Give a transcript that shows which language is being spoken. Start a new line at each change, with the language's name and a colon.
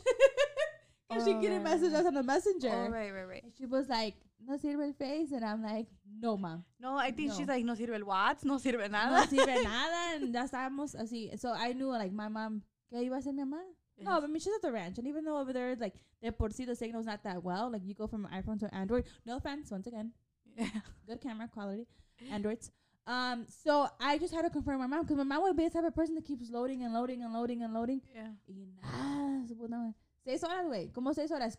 English: Because she couldn't message us on the messenger. Oh, right. And she was like,
Spanish: no sirve el Face.
English: And I'm like, no, mom. No, I think she's like,
Spanish: no sirve el Whats. No sirve nada. No sirve nada. And ya estábamos así.
English: So I knew, like, my mom,
Spanish: ¿qué iba a hacer mi mamá?
English: Yes. No, I mean, she's at the ranch. And even though over there, like,
Spanish: de por sí,
English: the signal's not that well. Like, you go from iPhone to Android. No offense, once again. Yeah. Good camera quality. Androids. So I just had to confirm my mom because my mom would be the type of person that keeps loading. Yeah.
Spanish: Y nada. 6 horas, güey. ¿Cómo 6 horas?